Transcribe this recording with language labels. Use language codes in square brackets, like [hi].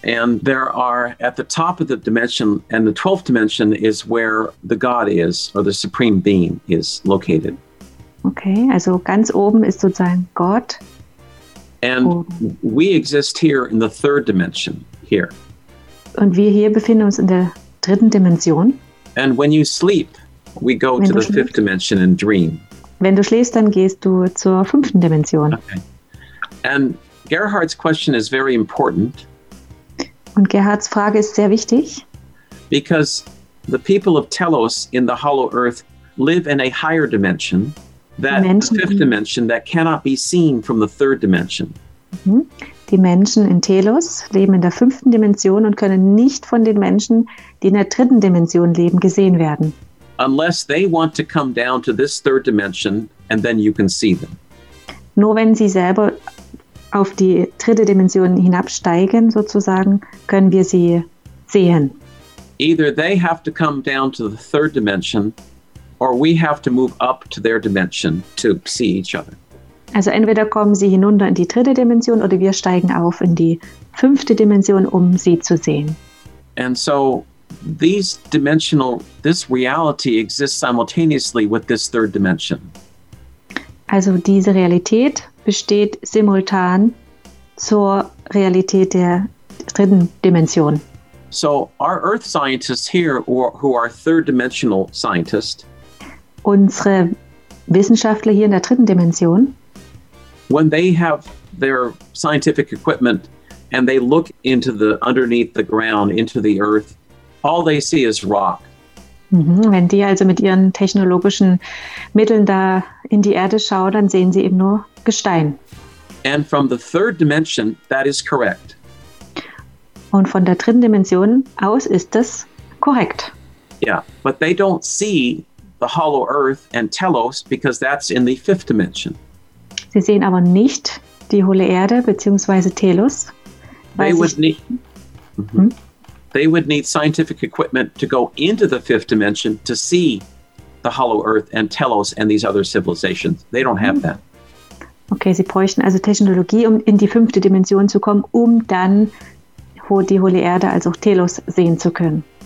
[en] And there are, at the top of the dimension, and the 12th dimension is where the God is, or the Supreme Being is located. [de] Okay, also ganz oben ist sozusagen Gott. [en] And we exist here in the third dimension, here. [de] Und wir hier befinden uns in der dritten Dimension. [en] And when you sleep, we go to the fifth dimension and dream. [de] Wenn du schläfst, dann gehst du zur fünften Dimension. [en] Okay. And Gerhard's question is very important. [de] Und Gerhards Frage ist sehr wichtig. [en] Because the people of Telos in the hollow earth live in a higher dimension, that the fifth dimension that cannot be seen from the third dimension. [de] Die Menschen in Telos leben in der fünften Dimension und können nicht von den Menschen, die in der dritten Dimension leben, gesehen werden. [en] Unless they want to come down to this third dimension and then you can see them. [de] Nur wenn sie selber auf die dritte Dimension hinabsteigen, sozusagen, können wir sie sehen. [en] Either they have to come down to the third dimension or we have to move up to their dimension to see each other. [de] Also entweder kommen sie hinunter in die dritte Dimension oder wir steigen auf in die fünfte Dimension, um sie zu sehen. [en] And so this reality exists simultaneously with this third dimension. [de] Also diese Realität besteht simultan zur Realität der dritten Dimension. [en] So our earth scientists here who are third dimensional scientists, [de] unsere Wissenschaftler hier in der dritten Dimension, [en] when they have their scientific equipment and they look into the underneath the ground into the earth, all they see is rock. [de] Wenn die also mit ihren technologischen Mitteln da in die Erde schauen, dann sehen sie eben nur Gestein. [en] And from the third dimension, that is correct. [de] Und von der dritten Dimension aus ist das korrekt. [en] Yeah, but they don't see the hollow earth and Telos because that's in the fifth dimension. [de] Sie sehen aber nicht die hohle Erde bzw. Telos. [en] They would need scientific equipment to go into the fifth dimension to see the hollow earth and Telos and these other civilizations. They don't have that. [de] Okay, sie bräuchten also Technologie, um in die fünfte Dimension zu kommen, um dann die hohle Erde, also auch Telos, sehen zu können.